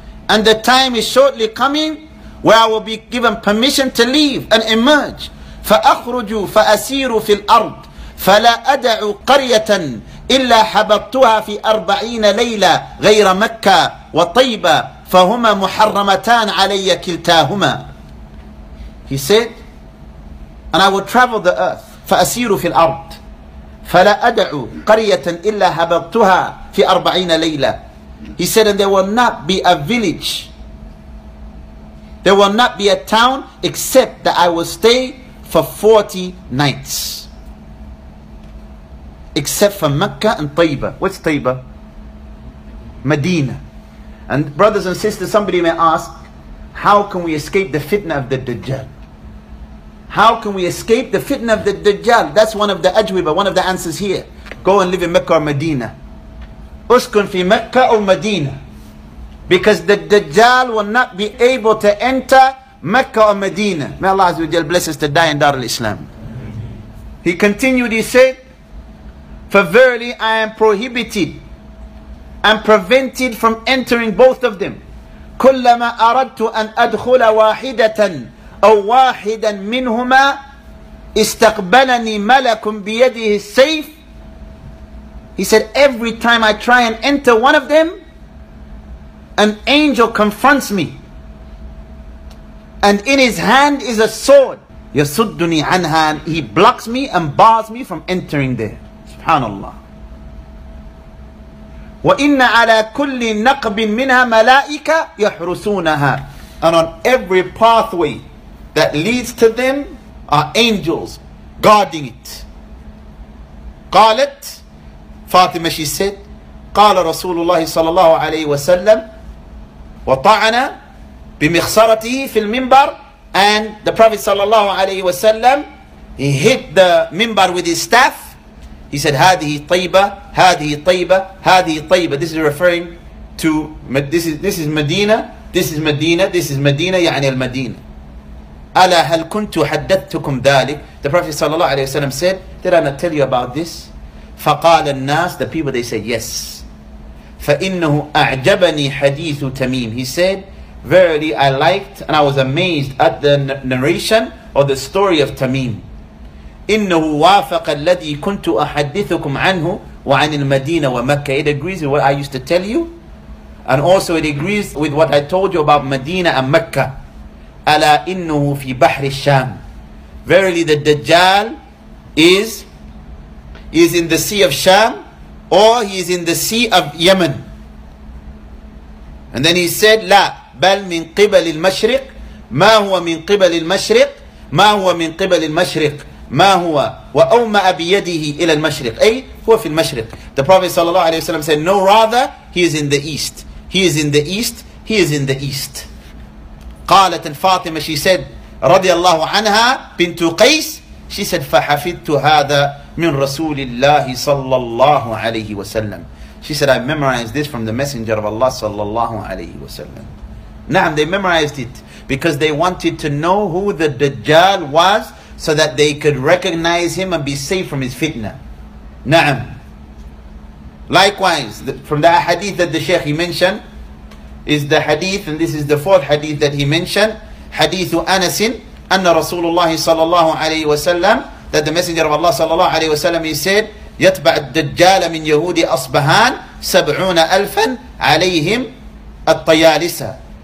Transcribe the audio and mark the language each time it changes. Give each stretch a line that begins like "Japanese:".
English: And the time is shortly coming where I will be given permission to leave and emerge.
Arabic: فَأَخْرُجُ فَأَسِيرُ فِي الْأَرْضِ فَلَا أَدَعُ قَرْيَةً إلا حببتها في 40 ليلة غير مكة وطيبة فهما محرمتان علي كلتاهما.
English: He said, and I will travel the earth,
Arabic: فأسير في الأرض, فلا أدعو قرية إلا حببتها في 40 ليلة.
English: He said, and there will not be a village, there will not be a town, except that I will stay for 40 nights. Except for Mecca and Taiba. What's Taiba? Medina. And brothers and sisters, somebody may ask, how can we escape the fitna of the Dajjal? How can we escape the fitna of the Dajjal? That's one of the ajwiba, one of the answers here. Go and live in Mecca or Medina.
Arabic: Uskun fi
English: Mecca or Medina. Because the Dajjal will not be able to enter Mecca or Medina. May Allah Azza wa Jalla bless us to die in Dar al-Islam. He continued, he said, for verily I am prohibited and prevented from entering both of them.
Arabic: كلما أردت أن أدخل واحدة أو واحدا منهما استقبلني ملك بيده السيف.
English: He said, every time I try and enter one of them, an angel confronts me, and in his hand is a sword.
Arabic: يصدني عنها,
English: he blocks me and bars me from entering there.
Arabic: Subhanallah. وإن على كل نقب منها ملائكة يحرسونها.
English: And on every pathway that leads to them are angels guarding it.
Arabic: قالت فاطمة,
English: she said,
Arabic: قال رسول الله صلى الله عليه وسلم وطعن بمخصرته في المنبر.
English: And the Prophet صلى الله عليه وسلم, he hit the minbar with his staff. He said,
Arabic: هذه طيبة, هذه طيبة, هذه طيبة.
English: This is referring to, this is Medina, this is Medina, this is Medina,
Arabic: يعني المدينة. ألا هل كنت حدثتكم ذلك؟
English: The Prophet صلى الله عليه وسلم said, did I not tell you about this?
Arabic: فقال الناس,
English: the people, they said, yes.
Arabic: فإنه أعجبني حديث تميم.
English: He said, verily I liked and I was amazed at the narration or the story of Tamim.
Arabic: إنه وافق الذي كنت أحدثكم عنه وعن المدينة ومكة.
English: It agrees with what I used to tell you, and also it agrees with what I told you about Medina and Mecca.
Arabic: ألا إنه في بحر الشام.
English: Verily the Dajjal is in the Sea of Sham, or he is in the Sea of Yemen. And then he said,
Arabic: لا بل من قبل المشرق. ما هو من قبل المشرق؟ ما هو من قبل المشرق؟ ما هو وأومأ بيده إلى المشرق. أي هو في المشرق.
English: The Prophet صلى الله عليه وسلم said, no, rather he is in the east. He is in the east. He is in the east.
Arabic: قالت فاطمة,
English: she said,
Arabic: رضي الله عنها بنت قيس, she said, فحفظت هذا من رسول الله صلى الله عليه وسلم.
English: She said, I memorized this from the Messenger of Allah صلى الله عليه وسلم. نعم, they memorized it because they wanted to know who the Dajjal was, so that they could recognize him and be safe from his fitna. Na'am. Likewise, from the hadith that the Shaykh he mentioned, is the hadith, and this is the fourth hadith that he mentioned, hadith Anas, anna Rasulullah sallallahu alayhi wa sallam, that the Messenger of Allah sallallahu alayhi wa sallam, he said,
Arabic: يَتْبَعَ الدَّجَّالَ مِنْ يَهُودِ أَصْبَهَانَ سَبْعُونَ أَلْفًا عَلَيْهِمْ الطَّيَالِسَ.